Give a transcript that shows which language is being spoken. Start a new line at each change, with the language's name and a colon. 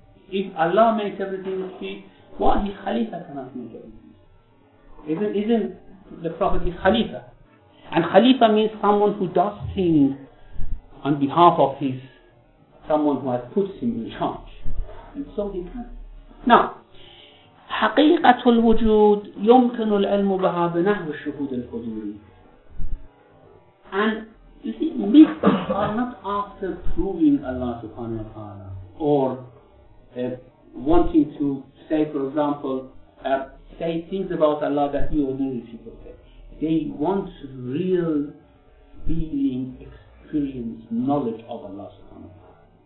English: If Allah makes everything speak, why his khalifa cannot make everything speak? Isn't the Prophet his khalifa? And khalifa means someone who does things on behalf of his, someone who has put him in charge. And so he can.
Arabic: Now, حقيقة الوجود يمكن العلم بها بنحو الشهود الحضوري.
English: And you see, myths are not after proving Allah subhanahu wa ta'ala or wanting to say, for example, say things about Allah that you ordinary people say. They want real feeling, experience, knowledge of Allah subhanahu wa ta'ala.